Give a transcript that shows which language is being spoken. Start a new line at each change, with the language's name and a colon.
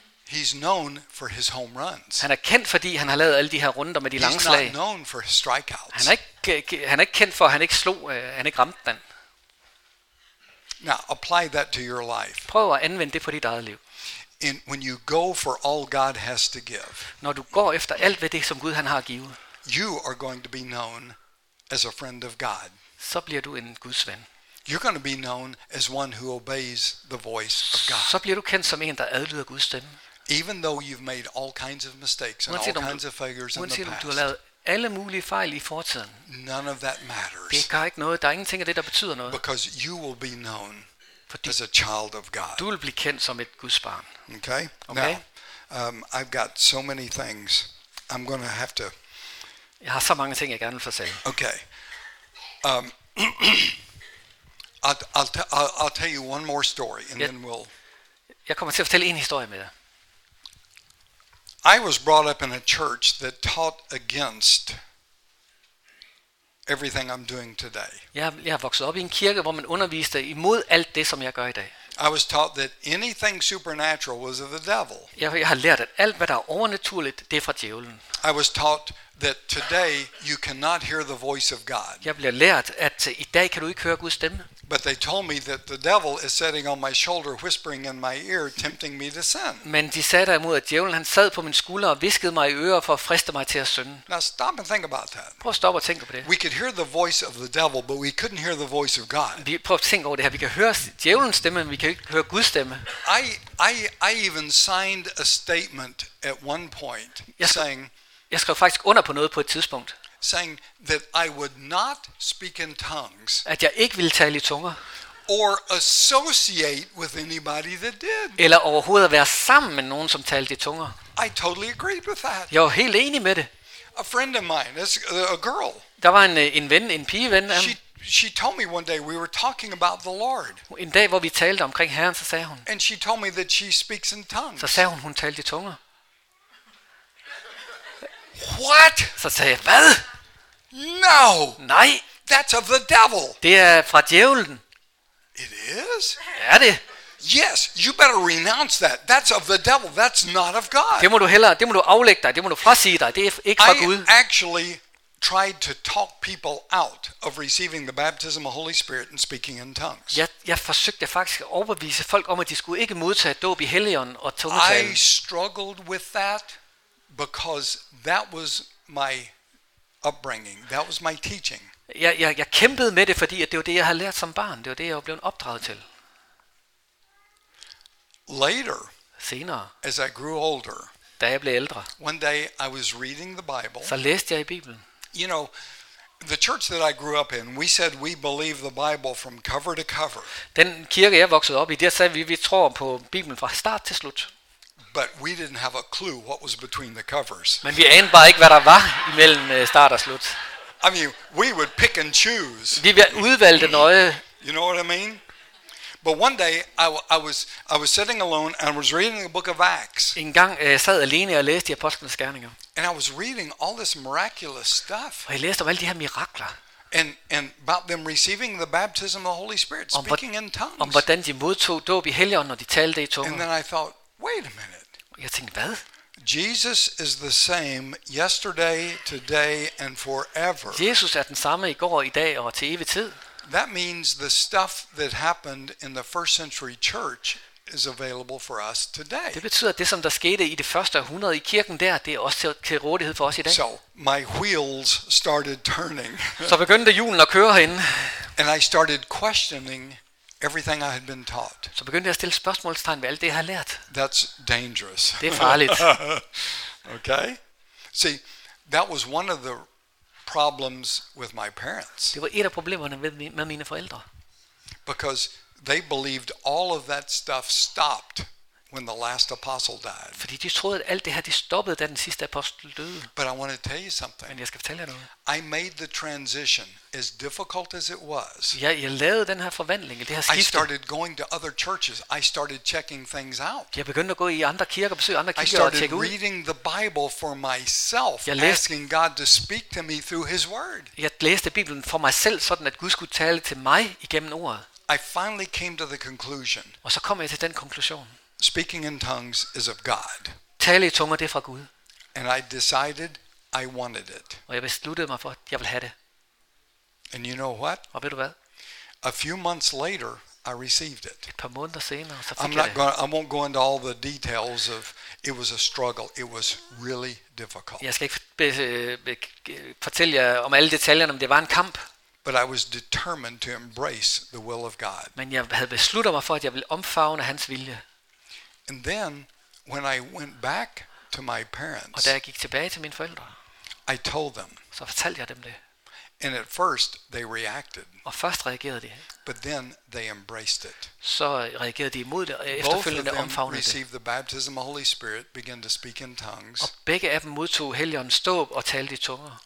English: He's known for his home runs.
Danish: Han er kendt fordi han har lavet alle de her runder med de lange slag.
English: He's known for his strikeouts.
Danish: Han er ikke kendt for at han ikke slog, han ikke ramte den.
English: Now apply that to your life.
Danish: Prøv at anvende det på dit eget liv.
English: And when you go for all God has to give.
Danish: Når du går efter alt ved det som Gud han har at give.
English: You are going to be known as a friend of God.
Danish: Så bliver du en Guds ven.
English: You're going to be known as one who obeys the voice of God.
Danish: Så bliver du kendt som en der adlyder Guds stemme.
English: Even though you've made all kinds of mistakes and all kinds of failures in the past.
Danish: Du har lavet alle mulige fejl i fortiden.
English: None of that matters.
Danish: Det gør ikke noget. Der er ingenting af det der betyder noget.
English: Because you will be known as a child of God.
Danish: Du vil blive kendt som et Guds barn.
English: Okay? Now, I've got so many things. I'm going to have to.
Danish: Jeg har så mange ting jeg gerne vil fortælle.
English: Okay. I'll tell you one more story and then we'll.
Danish: Jeg kommer til at fortælle en historie med dig.
English: I was brought up in a church that taught against everything I'm doing today.
Danish: Jeg voksede op i en kirke hvor man underviste imod alt det som jeg gør i dag.
English: I was taught that anything supernatural was of the devil.
Danish: Jeg har lært at alt hvad der er overnaturligt det er fra djævlen.
English: I was taught that today you cannot hear the voice of God.
Danish: Jeg blev lært at i dag kan du ikke høre Guds stemme.
English: But they told me that the devil is sitting on my shoulder whispering in my ear tempting me to sin.
Danish: Men de sagde derimod at djævlen han sad på min skulder og hviskede mig i øret for at friste mig til at synde.
English: Now stop and think about that.
Danish: Prøv at stoppe og tænke på det.
English: We could hear the voice of the devil but we couldn't hear the voice of God.
Danish: Vi prøv at tænke over det her. Vi kan høre djævlens stemme men vi kan ikke høre Guds stemme.
English: I even signed a statement at one point saying
Danish: jeg skrev faktisk under på noget på et tidspunkt.
English: Saying that I would not speak in tongues.
Danish: At jeg ikke ville tale i tunger.
English: Or associate with anybody that did.
Danish: Eller overhovedet være sammen med nogen som talte i tunger.
English: I totally agreed with that.
Danish: Jeg var helt enig med det.
English: A friend of mine, a girl.
Danish: Der var en ven, en pigeven.
English: She told me one day we were talking about the Lord.
Danish: En dag hvor vi talte omkring Herren, så sagde hun.
English: And she told me that she speaks in tongues.
Danish: Så sagde hun talte i tunger.
English: What?
Danish: Så sagde jeg, hvad?
English: No.
Danish: Nej.
English: That's of the devil.
Danish: Det er fra djævlen.
English: It is.
Danish: Er det?
English: Yes. You better renounce that. That's of the devil. That's not of God.
Danish: Det må du aflægge dig. Det må du frasige dig. Det er ikke fra Gud.
English: I actually tried to talk people out of receiving the baptism of Holy Spirit and speaking in tongues.
Danish: Jeg forsøgte faktisk at overbevise folk om at de skulle ikke modtage dåb i Helligånd og tungetale.
English: I struggled with that because that was my upbringing. That was my teaching.
Danish: Jeg kæmpede med det fordi at det var det jeg havde lært som barn. Det var det jeg blev opdraget til.
English: Later.
Danish: Senere.
English: As I grew older.
Danish: Da jeg blev ældre.
English: One day I was reading the Bible.
Danish: Så læste jeg i Bibelen.
English: You know, the church that I grew up in, we said we believe the Bible from cover to cover.
Danish: Den kirke jeg voksede op i, der sagde vi tror på Bibelen fra start til slut.
English: But we didn't have a clue what was between the covers.
Danish: Men vi anede bare ikke hvad der var imellem start og slut.
English: I mean, we would pick and choose.
Danish: Vi udvalgte nøje.
English: You know what I mean? But one day I was sitting alone and I was reading the book of Acts.
Danish: En gang sad alene og læste Apostlenes Gerninger.
English: And I was reading all this miraculous stuff.
Danish: Og jeg læste om alle de her mirakler.
English: And about them receiving the baptism of the Holy Spirit, speaking in tongues.
Danish: Om hvordan de modtog dåb i Helligånden når de talte i tunger.
English: And then I thought, wait a minute.
Danish: Jeg tænkte, hvad?
English: Jesus is the same yesterday, today and forever.
Danish: Jesus er den samme i går, i dag og til evig tid.
English: That means the stuff that happened in the first century church is available for us today.
Danish: Det betyder at det som der skete i det første århundrede i kirken der, det er også til rådighed for os i dag.
English: So, my wheels started turning.
Danish: Så begyndte hjulene at køre herinde.
English: And I started questioning everything I had been taught.
Danish: Så begyndte jeg at stille spørgsmålstegn ved alt det jeg har lært.
English: That's dangerous.
Danish: Det er farligt.
English: Okay? See, That was one of the problems with my parents.
Danish: Det var ett av problemen med mina föräldrar.
English: Because they believed all of that stuff stopped when the last apostle died.
Danish: Fordi de troede at alt det her det stoppede da den sidste apostel døde.
English: But I want to tell you something.
Danish: Men jeg skal fortælle jer noget.
English: I made the transition as difficult as it was.
Danish: Jeg lavede den her forvandling, det her skifte.
English: I started going to other churches. I started checking things out.
Danish: Jeg begyndte at gå i andre kirker, besøge andre kirker og tjekke ud.
English: I started reading the Bible for myself, asking God to speak to me through his word.
Danish: Jeg læste Bibelen for mig selv, sådan at Gud skulle tale til mig igennem ordet.
English: I finally came to the conclusion.
Danish: Og så kom jeg til den konklusion.
English: Speaking in tongues is of God.
Danish: Tale i tunger, det er fra Gud.
English: And I decided I wanted it.
Danish: Og jeg besluttede mig for at jeg vil have det.
English: And you know what?
Danish: Og ved du hvad?
English: A few months later I received it.
Danish: Et par måneder senere så fik
English: I'm
Danish: jeg
English: not
Danish: det.
English: I won't go into all the details of it was a struggle. It was really difficult.
Danish: Jeg skal ikke fortælle jer om alle detaljerne, om det var en kamp.
English: But I was determined to embrace the will of God.
Danish: Men jeg havde besluttet mig for at jeg ville omfavne hans vilje.
English: And then when I went back to my parents.
Danish: Og da jeg gik tilbage til mine forældre.
English: I told them.
Danish: Så fortalte jeg dem det.
English: And at first they reacted.
Danish: Og først reagerede de.
English: But then they embraced it.
Danish: Så reagerede de imod det og efterfølgende omfavnede det.
English: Received the baptism of the Holy Spirit, began to speak in tongues.
Danish: Og begge af dem modtog Helligåndens dåb og talte i tunger.